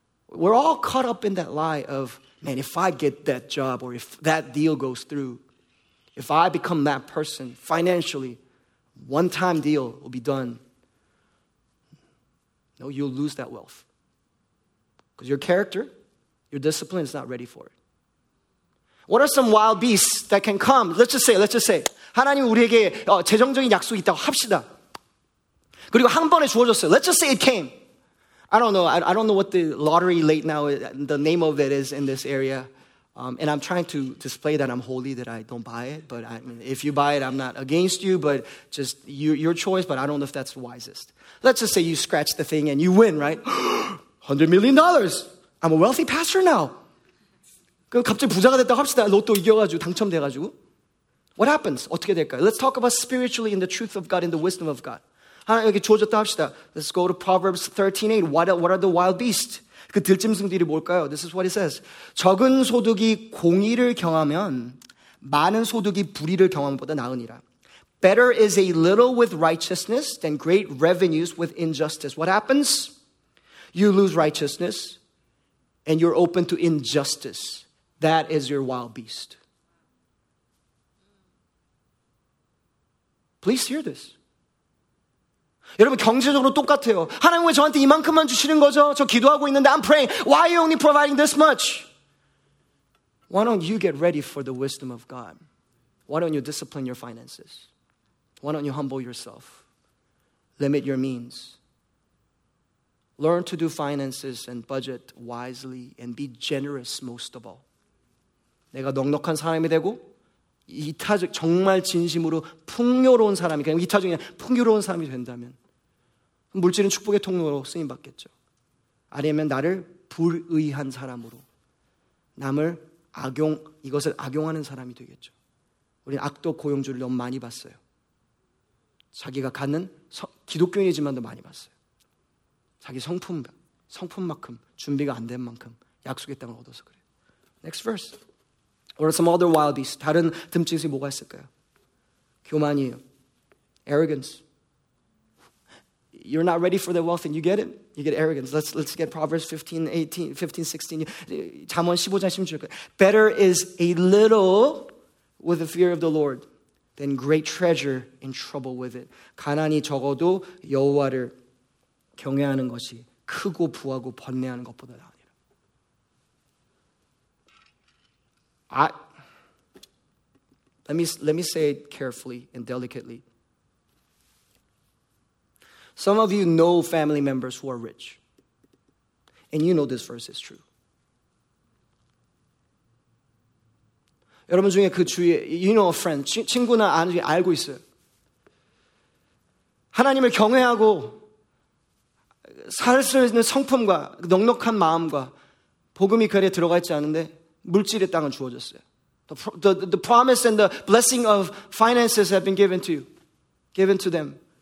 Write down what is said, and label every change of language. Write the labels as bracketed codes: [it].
[en] We're all caught up in that lie of, man, if I get that job or if that deal goes through, if I become that person financially, one-time deal will be done. No, you'll lose that wealth. Because your character, your discipline is not ready for it. What are some wild beasts that can come? Let's just say. [ko] 하나님 우리에게 재정적인 약속이 있다고 합시다. 그리고 한 번에 주어졌어요. [en] Let's just say it came. I don't know what the lottery late now is, the name of it is in this area. And I'm trying to display that I'm holy, that I don't buy it. But I mean, if you buy it, I'm not against you, but just your choice. But I don't know if that's the wisest. Let's just say you scratch the thing and you win, right? $100 million. I'm a wealthy pastor now. [ko] 그럼 갑자기 부자가 됐다고 합시다. 로또 이겨가지고 당첨돼가지고. [en] What happens? [ko] 어떻게 될까요? [en] Let's talk about spiritually in the truth of God, in the wisdom of God. [ko] 하나님에게 주어졌다 합시다. [en] Let's go to Proverbs 13:8. What are the wild beasts? [ko] 그 들짐승들이 뭘까요? [en] This is what it says. [ko] 적은 소득이 공의를 경하면 많은 소득이 불의를 경함보다 나으니라. [en] Better is a little with righteousness than great revenues with injustice. What happens? You lose righteousness and you're open to injustice. That is your wild beast. Please hear this. [ko] 여러분 경제적으로 똑같아요. 하나님 왜 저한테 이만큼만 주시는 거죠? 저 기도하고 있는데 [en] I'm praying. Why are you only providing this much? Why don't you get ready for the wisdom of God? Why don't you discipline your finances? Why don't you humble yourself? Limit your means. Learn to do finances and budget wisely and be generous most of all. [ko] 내가 넉넉한 사람이 되고 이타적 정말 진심으로 풍요로운 사람이 그냥 이타적인 풍요로운 사람이 된다면 물질은 축복의 통로로 쓰임 받겠죠. 아니면 나를 불의한 사람으로 남을 악용 이것을 악용하는 사람이 되겠죠. 우리는 악도 고용주를 너무 많이 봤어요. 자기가 갖는 기독교인이지만도 많이 봤어요. 자기 성품만큼 준비가 안 된 만큼 약속의 땅을 얻어서 그래요. [en] Next verse. Or some other wild beast. [ko] 다른 듬직이 뭐가 있을까요? 교만이에요. Arrogance. [en] You're not ready for the wealth and you get it. You get arrogance. Let's get Proverbs 15:16. [ko] 잠언 15장 16절. [en] Better is a little with the fear of the Lord than great treasure in trouble with it. [ko] 가난이 적어도 여호와를 경외하는 것이 크고 부하고 번뇌하는 것보다 나아. [en] Let me say it carefully and delicately. Some of you know family members who are rich. And you know this verse is true. [ko] 여러분 중에 그 주위에, [en] you know a friend, [ko] 친구나 아는 중에 알고 있어요. 하나님을 경외하고 살 수 있는 성품과 넉넉한 마음과 복음이 그 안에 들어가 있지 않은데 물질의 땅을 주어졌어요. [en] The promise and the blessing of finances have been given to you, given to them.